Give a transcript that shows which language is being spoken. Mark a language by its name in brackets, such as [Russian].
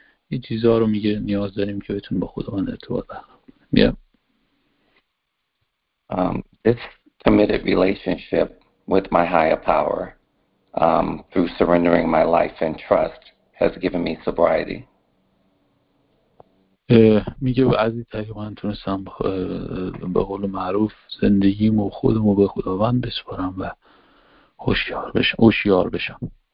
[Persian] این چیزها رو میگه نیاز داریم که بتون با خداوند ارتباط برقرار. [English] Yeah. This committed relationship with my higher power through surrendering my life and trust has given me sobriety. [Persian] میگه عزیزتر که من تونستم به قول معروف زندگیم و خودم و به خداوند بسپارم و هوشیار بشم.